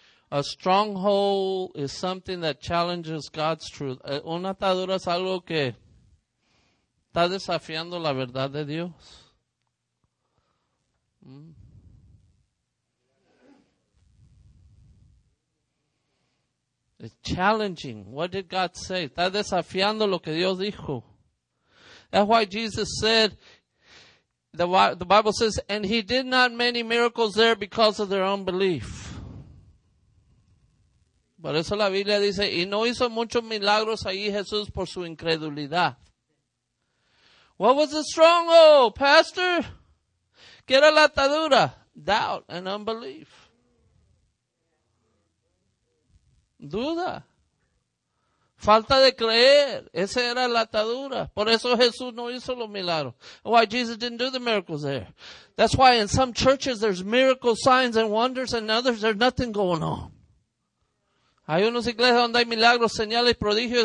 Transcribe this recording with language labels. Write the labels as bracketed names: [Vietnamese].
[English] A stronghold is something that challenges God's truth. [Spanish] Una atadura es algo que está desafiando la verdad de Dios. [English] It's challenging. What did God say? [Spanish] Está desafiando lo que Dios dijo. [English] That's why Jesus said, the Bible says, and he did not many miracles there because of their unbelief. [Spanish] Por eso la Biblia dice, y no hizo muchos milagros ahí Jesús por su incredulidad. [English] What was the stronghold, Pastor? [Spanish] ¿Qué era la atadura? [English] Doubt and unbelief. [Spanish] Duda. Falta de creer. Esa era la atadura. Por eso Jesús no hizo los milagros. [English] Why Jesus didn't do the miracles there. That's why in some churches there's miracles, signs and wonders, and in others there's nothing going on. [Spanish] Hay unas iglesias donde hay milagros, señales, prodigios.